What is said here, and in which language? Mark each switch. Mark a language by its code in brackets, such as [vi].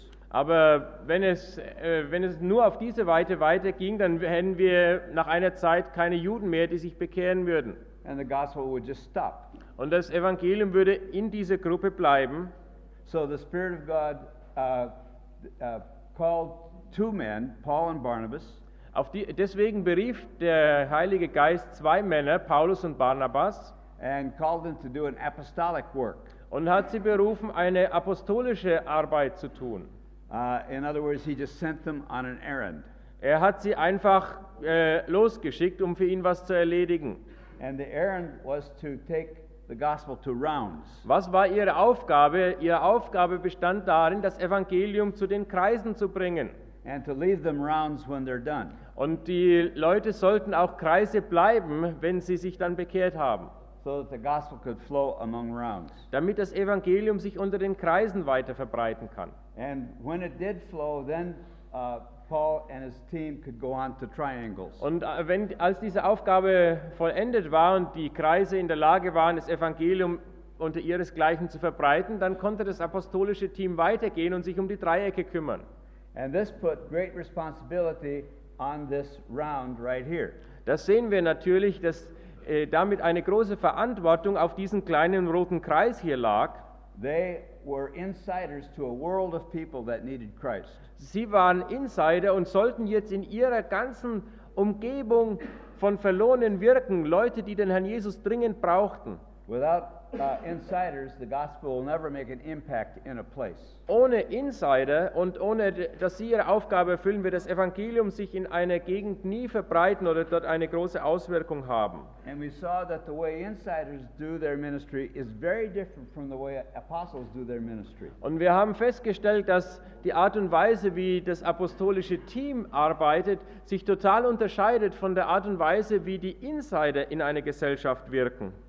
[de] Aber wenn es nur auf diese Weise weiterging, dann hätten wir nach einer Zeit keine Juden mehr, die sich bekehren würden. [en] And the gospel would just stop. [de] Und das Evangelium würde in dieser Gruppe bleiben. [en] So the Spirit of God called two men, Paul and Barnabas. [de] Deswegen berief der Heilige Geist zwei Männer, Paulus und Barnabas, [en] and called them to do an apostolic work. [de] Und hat sie berufen, eine apostolische Arbeit zu tun. [en] In other words, he just sent them on an errand. [de] Er hat sie einfach losgeschickt, um für ihn was zu erledigen. [en] And the errand was to take the gospel to rounds. [de] Was war ihre Aufgabe? Ihre Aufgabe bestand darin, das Evangelium zu den Kreisen zu bringen. [en] And to leave them rounds when they're done. [de] Und die Leute sollten auch Kreise bleiben, wenn sie sich dann bekehrt haben. [en] So that the gospel could flow among rounds. [de] Damit das Evangelium sich unter den Kreisen weiter verbreiten kann. [en] And when it did flow, then Paul and his team could go on to triangles. [de] Und als diese Aufgabe vollendet war und die Kreise in der Lage waren, das Evangelium unter ihresgleichen zu verbreiten, dann konnte das apostolische Team weitergehen und sich um die Dreiecke kümmern. [en] And this put great responsibility on this round right here. [de] Das sehen wir natürlich, dass damit eine große Verantwortung auf diesen kleinen roten Kreis hier lag. [en] They were insiders to a world of people that needed Christ. [de] Sie waren Insider und sollten jetzt in ihrer ganzen Umgebung von Verlorenen wirken, Leute, die den Herrn Jesus dringend brauchten. [en] Without insiders, the gospel will never make an impact in a place. [de] Ohne Insider und ohne dass sie ihre Aufgabe erfüllen, wird das Evangelium sich in einer Gegend nie verbreiten oder dort eine große Auswirkung haben. [en] And we saw that the way insiders do their ministry is very different from the way apostles do their ministry. [de] Und wir haben festgestellt, dass die Art und Weise, wie das apostolische Team arbeitet, sich total unterscheidet von der Art und Weise, wie die Insider in einer Gesellschaft wirken.